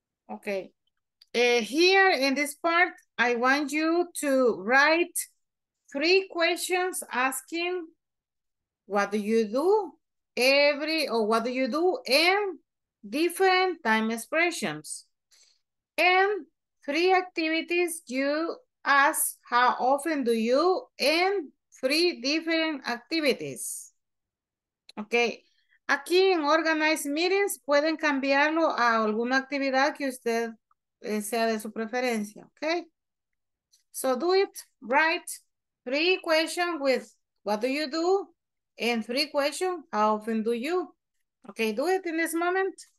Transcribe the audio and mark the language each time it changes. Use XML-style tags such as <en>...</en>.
<en>Okay, here in this part, I want you to write 3 questions asking, what do you do every, or what do you do in different time expressions? And 3 activities you ask, how often do you, and 3 different activities.</en> <es>Okay, aquí en organized meetings pueden cambiarlo a alguna actividad que usted sea de su preferencia.</es> <en>Okay, so do it, write 3 questions with what do you do, and 3 questions, how often do you? Okay, do it in this moment.</en>